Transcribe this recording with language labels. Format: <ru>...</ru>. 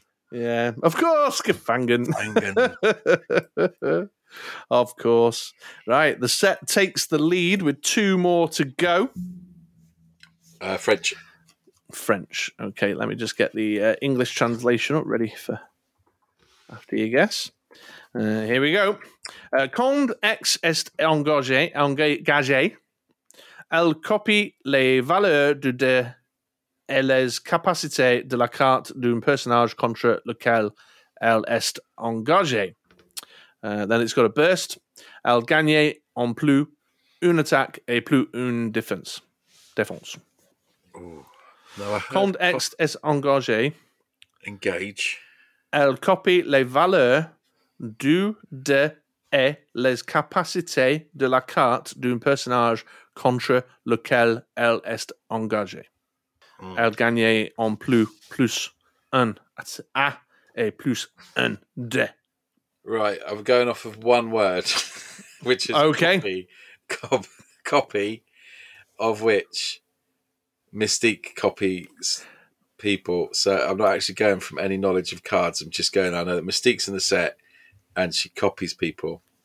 <en>Yeah, of course, Gefangen. Of course. Right, the set takes the lead with two more to go. French. Okay, let me just get the English translation up ready for after you guess. Here we go.</en> <fr>Quand ex est engagé, elle copie les valeurs de et les capacités de la carte d'un personnage contre lequel elle est engagée.</fr> <en>Then it's got a burst.</en> <fr>Elle gagne en plus une attaque et plus une défense. Défense. Quand ex est engagé, engage. Elle copie les valeurs du de et les capacités de la carte d'un personnage contre lequel elle est engagée. Elle gagne en plus un à et plus un de.</fr> <en>Right, I'm going off of one word, which is okay. Copy of which Mystique copies people. So I'm not actually going from any knowledge of cards. I'm just going, I know that Mystique's in the set and she copies people.</en>